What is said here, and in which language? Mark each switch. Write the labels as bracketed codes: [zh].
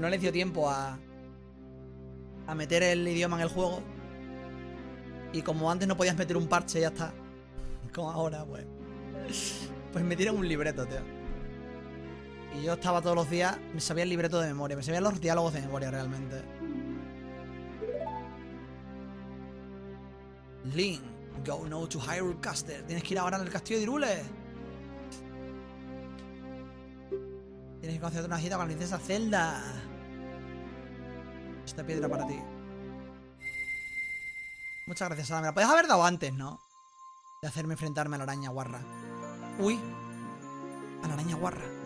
[es] No les dio tiempo a meter el idioma en el juego. Y como antes no podías meter un parche, ya está. Como ahora, pues me tiran un libreto, tío. Y yo estaba todos los días, me sabía el libreto de memoria, me sabía los diálogos de memoria realmente. [en] Link, go now to Hyrule Castle. [es] Tienes que ir ahora al castillo de Hyrule. Tienes Tienes que concederte una cita con la princesa Zelda. Esta piedra para ti. Muchas gracias, Ana. Me la podías haber dado antes, ¿no? De hacerme enfrentarme a la araña guarra. Uy. A la araña guarra.